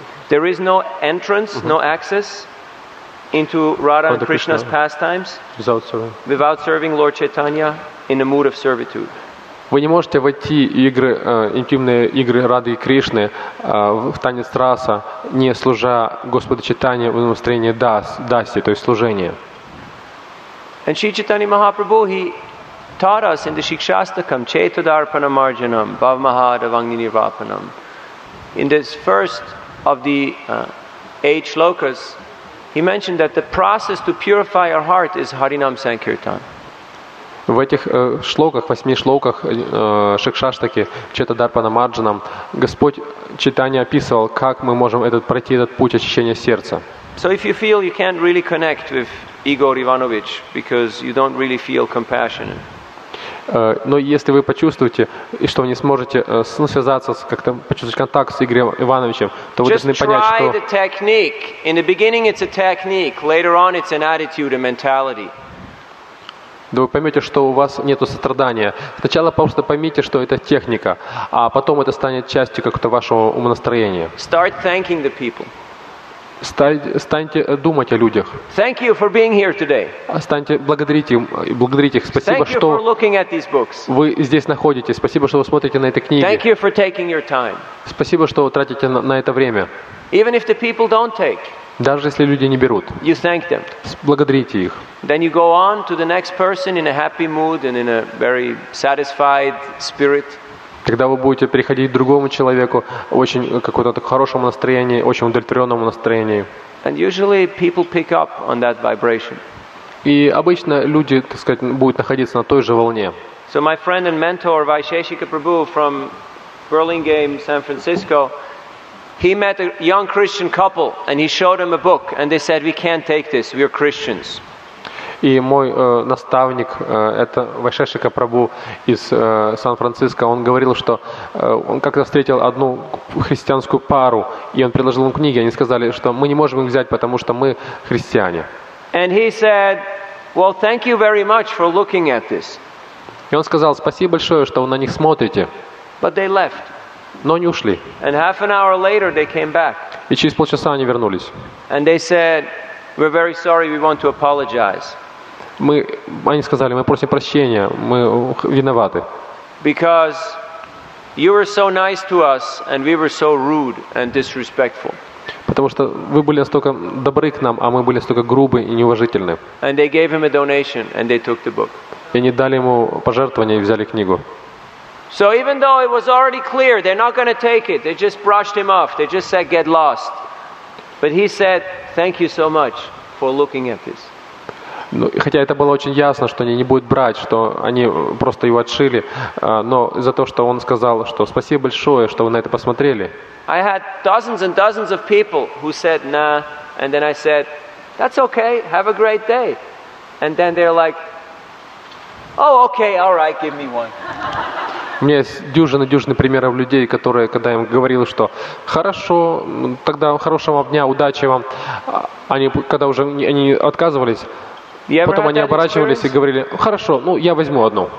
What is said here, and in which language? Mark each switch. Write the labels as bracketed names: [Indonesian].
[English] There is no entrance, no access into Radha and Krishna's pastimes without serving Lord Chaitanya in a mood of servitude. [Russian] Вы не можете войти в игры, интимные игры Рады и Кришны, в танец раса, не служа Господу Чайтанье в настроении даси, то есть служения. [English] And Sri Chaitanya Mahaprabhu, he taught us in the Shikshastakam, Chetadarpana Marjanam, Bhavmahadavangni Nirvapanam. In this first of the eight shlokas, he mentioned that the process to purify our heart is Harinam Sankirtan. [Russian] В этих шлоках, восьми шлоках Шикшаштаки, Четадарпана Марджанам, Господь Чайтанья описывал, как мы можем этот, пройти этот путь очищения сердца. [English] So if you feel you can't really connect with Igor Ivanovich, because you don't really feel compassion. [Russian] Но если вы почувствуете, что вы не сможете связаться, как-то почувствовать контакт с Игорем Ивановичем, то вы должны понять, что... [English] Just try the technique. In the beginning it's a technique, later on it's an attitude, a mentality. [Russian] Да вы поймете, что у вас нету сострадания. Сначала просто поймите, что это техника, а потом это станет частью как-то вашего умонастроения. [English] Start thanking the people. [Russian] Станьте думать о людях. [English] Thank you for being here today. [Russian] Станьте благодарить их. Спасибо, [English] Thank you [Russian] что [English] for looking at these books. [Russian] Вы здесь находитесь. Спасибо, что вы смотрите на эти книги. [English] Thank you for taking your time. [Russian] Спасибо, что вы тратите на это время. [English] Even if the people don't take. [Russian] Даже если люди не берут, [English] you thank them. [Russian] Благодарите их. [English] Then you go on to the next person in a happy mood and in a very satisfied spirit. [Russian] Когда вы будете переходить к другому человеку, очень какое-то так хорошее настроение, очень удовлетворенное настроение. [English] And usually people pick up on that vibration. [Russian] И обычно люди, так сказать, будут находиться на той же волне. [English] So my friend and mentor Vaisheshika Prabhu from Burlingame, San Francisco. He met a young Christian couple and he showed them a book and they said, we can't take this, we are Christians. [Russian] И мой наставник, это Вайшешика Прабу из Сан-Франциско, он говорил, что он как-то встретил одну христианскую пару и он предложил им книги. Они сказали, что мы не можем их взять, потому что мы христиане. [English] And he said, well, thank you very much for looking at this. [Russian] И он сказал, спасибо большое, что вы на них смотрите. [English] But they left. [Russian] Но они ушли. [English] And half an hour later they came back. [Russian] И через полчаса они вернулись. [English] And they said, we're very sorry, we want to apologize. [Russian] Они сказали, мы просим прощения, мы виноваты. [English] Because you were so nice to us and we were so rude and disrespectful. [Russian] Потому что вы были настолько добры к нам, а мы были настолько грубы и неуважительны. [English] And they gave him a donation and they took the book. [Russian] И они дали ему пожертвование и взяли книгу. [English] So even though it was already clear they're not going to take it, they just brushed him off. They just said, get lost. But he said, thank you so much for looking at this. [Russian] Ну, хотя это было очень ясно, что они не будут брать, что они просто его отшили, но за то, что он сказал, что спасибо большое, что вы на это посмотрели. [English] I had dozens and dozens of people who said, nah. And then I said, that's okay, have a great day. And then they're like, oh, okay, all right, give me one. [Russian] меня есть дюжины примеров людей, которые, когда я им говорил, что хорошо, тогда хорошего дня, удачи вам, они, когда уже они отказывались, потом они оборачивались и говорили, хорошо, ну я возьму одну.